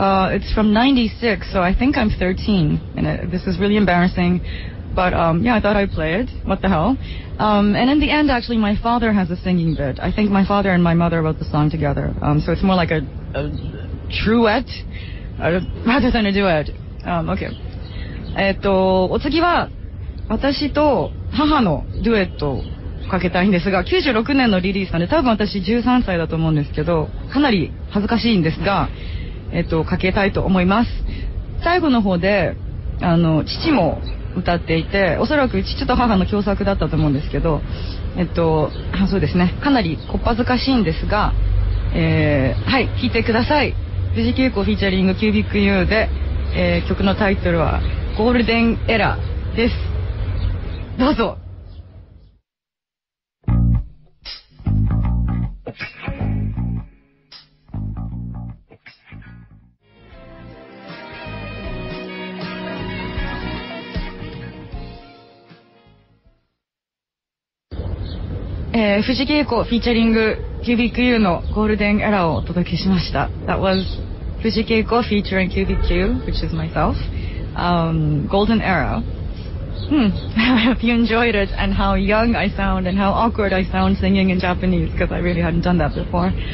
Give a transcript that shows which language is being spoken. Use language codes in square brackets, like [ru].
[en] It's from 96, so I think I'm 13, and this is really embarrassing. But yeah, I thought I'd play it. What the hell? And in the end, actually, my father has a singing bit. I think my father and my mother wrote the song together. So it's more like a truet, rather than a duet. Okay. [ja] お次は私と母のデュエットをかけたいんですが、96年のリリースなんで、多分私13歳だと思うんですけど、かなり恥ずかしいんですが、かけたいと思います。最後の方で、父も歌っていて、おそらく父と母の共作だったと思うんですけど、そうですね、かなりこっぱずかしいんですが、はい、聴いてください。富士急行フィーチャリングキュービックユーで、曲のタイトルはゴールデンエラーです。どうぞ。富士急行フィーチャリングキュービックユーのゴールデンエラーをお届けしました。 [en] That was Fuji Keiko featuring QBQ, which is myself, Golden Era. I hope you enjoyed it and how young I sound and how awkward I sound singing in Japanese because I really hadn't done that before.